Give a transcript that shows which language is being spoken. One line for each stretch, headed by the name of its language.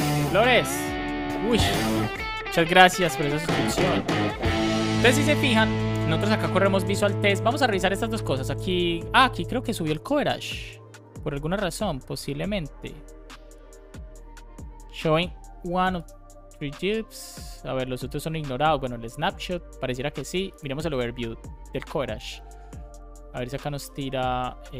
Spanish: ¡Flores! ¡Uy! Muchas gracias por esa suscripción. Entonces, si se fijan, nosotros acá corremos visual test. Vamos a revisar estas dos cosas. Aquí creo que subió el coverage. Por alguna razón, posiblemente.
English: Showing one of three dips.
Spanish: A ver, los otros son ignorados. Bueno, el snapshot, pareciera que sí. Miremos el overview del coverage. A ver si acá nos tira.